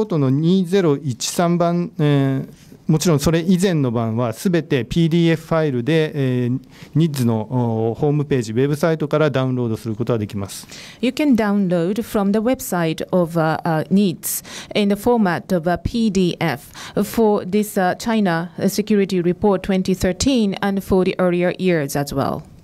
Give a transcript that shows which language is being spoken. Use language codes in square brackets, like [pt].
[en] Could you grab last week's report with the Coast Guard? [ja] もちろんそれ以前の版はすべて PDF ファイルで NIDS のホームページ、ウェブサイトからダウンロードすることができます。 [en] You can download from the website of NIDS in the format of a PDF for this China Security Report 2013 and for the earlier years as well.